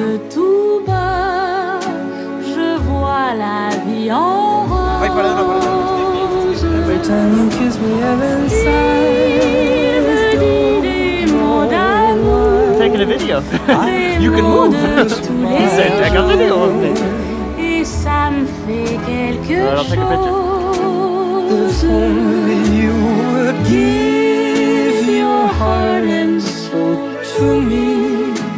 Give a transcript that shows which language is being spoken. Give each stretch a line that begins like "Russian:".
French: Tout bas, je vois la vie en rose.
English: Every time you kiss me, heaven sighs.
French: Il me dit des mots d'amour.
English: Taking a video. You can move. He said, take a video of me.
French: Et ça me fait quelque chose.
English: If only you would give your heart and soul to me.